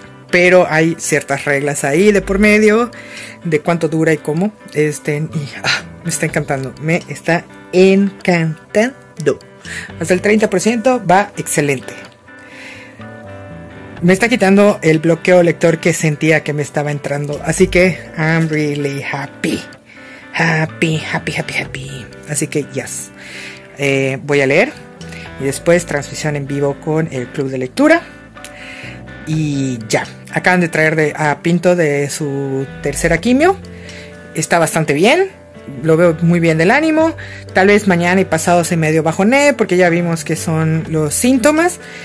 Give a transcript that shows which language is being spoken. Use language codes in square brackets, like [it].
[es] Pero hay ciertas reglas ahí de por medio, de cuánto dura y cómo. Me está encantando, me está encantando. Hasta el 30% va excelente. Me está quitando el bloqueo lector que sentía que me estaba entrando. Así que [en] I'm really happy. Happy, happy, happy, happy. [es] Así que [en] yes. [es] Voy a leer. Y después transmisión en vivo con el Club de Lectura. Y ya. Acaban de traer a Pinto de su tercera quimio. Está bastante bien. Lo veo muy bien del ánimo. Tal vez mañana y pasado se medio bajoné porque ya vimos que son los síntomas.